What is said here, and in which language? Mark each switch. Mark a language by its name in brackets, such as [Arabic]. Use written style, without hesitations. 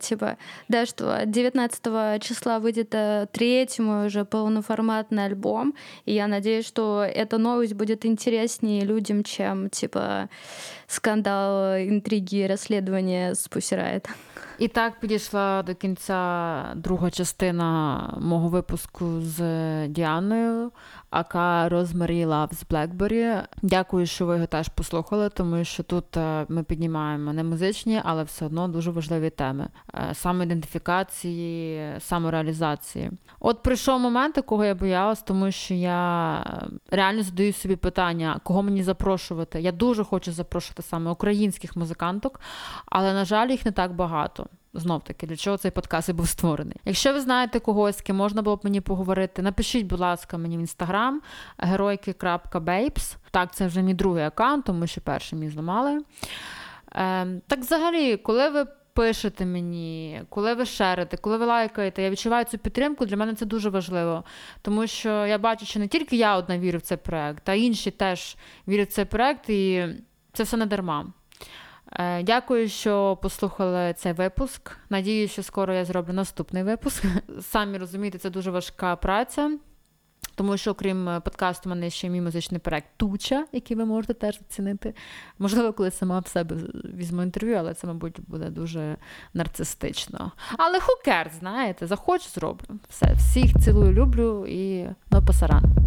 [Russian] Типа, да, что 19 числа выйдет третий мой уже полноформатный альбом, и я надеюсь, что эта новость будет интереснее людям, чем, типа, скандал, интриги, расследования с Pussy Riot. [Ukrainian] І так підійшла до кінця друга частина мого випуску з Діаною, АК Rosemary Loves Blackberry. Дякую, що ви його теж послухали, тому що тут ми піднімаємо не музичні, але все одно дуже важливі теми. Самоідентифікації, самореалізації. От прийшов момент, якого я боялась, тому що я реально задаю собі питання, кого мені запрошувати. Я дуже хочу запрошувати саме українських музиканток, але, на жаль, їх не так багато. Знов-таки, для чого цей подкаст і був створений. Якщо ви знаєте когось, з ким можна було б мені поговорити, напишіть, будь ласка, мені в інстаграм heroiki.babes. Так, це вже мій другий аккаунт, тому що перший мій зламали. Так взагалі, коли ви пишете мені, коли ви шерите, коли ви лайкаєте, я відчуваю цю підтримку, для мене це дуже важливо. Тому що я бачу, що не тільки я одна вірю в цей проект, а інші теж вірять в цей проект, і це все не дарма. Дякую, що послухали цей випуск. Надіюсь, що скоро я зроблю наступний випуск. Самі розумієте, це дуже важка праця, тому що окрім подкасту, в мене ще мій музичний проект «Туча», який ви можете теж оцінити. Можливо, коли сама в себе візьму інтерв'ю, але це, мабуть, буде дуже нарцистично. Але [English] who cares, [Ukrainian] знаєте, захочу, зроблю. Все, всіх цілую, люблю і на пасаран.